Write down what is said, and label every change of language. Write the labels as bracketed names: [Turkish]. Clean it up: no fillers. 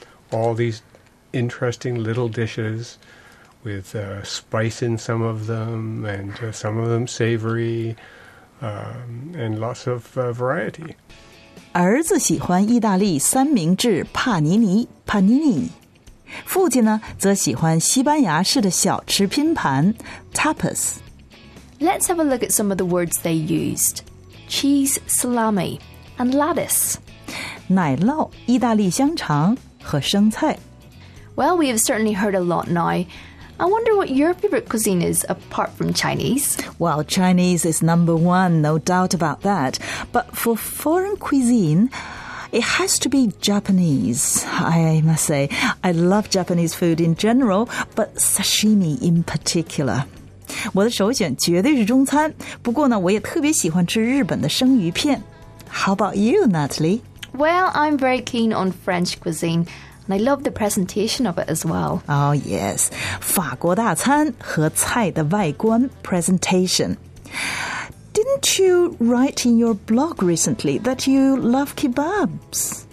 [English] All these interesting little dishes... with spice in some of them, and some of them savory, and lots of variety. [Chinese] 儿子喜欢意大利三明治帕尼尼 panini. 父亲呢则喜欢西班牙式的小吃拼盘 tapas. [English] Let's have a look at some of the words they used. Cheese, salami, and lettuce. [Chinese] 奶酪、意大利香肠和生菜。 [English] Well, we have certainly heard a lot now. I wonder what your favorite cuisine is, apart from Chinese. Well, Chinese is number one, no doubt about that. But for foreign cuisine, it has to be Japanese, I must say. I love Japanese food in general, but sashimi in particular. [Chinese] 我的首选绝对是中餐。不过呢，我也特别喜欢吃日本的生鱼片。 [English] How about you, Natalie? Well, I'm very keen on French cuisine. And I love the presentation of it as well. Oh, yes. [Chinese] 法国大餐和菜的外观 presentation. [English] Didn't you write in your blog recently that you love kebabs?